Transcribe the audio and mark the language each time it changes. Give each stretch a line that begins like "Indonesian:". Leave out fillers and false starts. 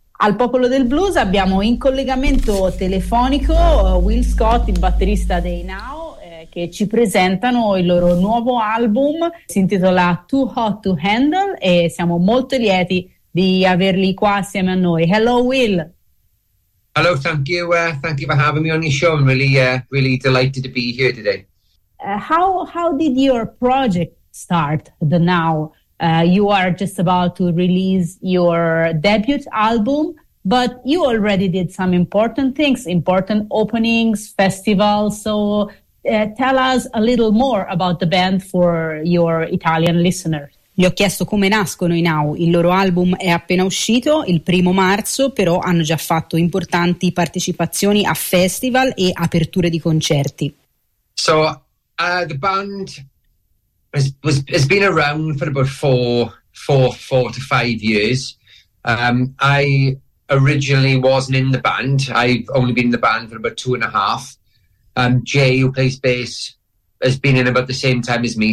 Italian: Al Popolo del Blues abbiamo in collegamento telefonico Will Scott, il batterista dei Now, che ci presentano il loro nuovo album, si intitola Too Hot to Handle, e siamo molto lieti di averli qua assieme a noi.
English: Hello Will. Hello, thank you for having me on your show. I'm really, really delighted to be here today. How did your project start, the Now? You are just about to release your debut album, but you already did some important things, important openings, festivals. So tell us a little more about the band for your Italian listeners.
Italian: Gli ho chiesto come nascono i Now. Il loro album è appena uscito il 1 marzo, però hanno già fatto importanti partecipazioni a festival e aperture di concerti.
English: So the band has been around for about four to five years. I originally wasn't in the band. I've only been in the band for about 2.5. Jay, who plays bass, has been in about the same time as me.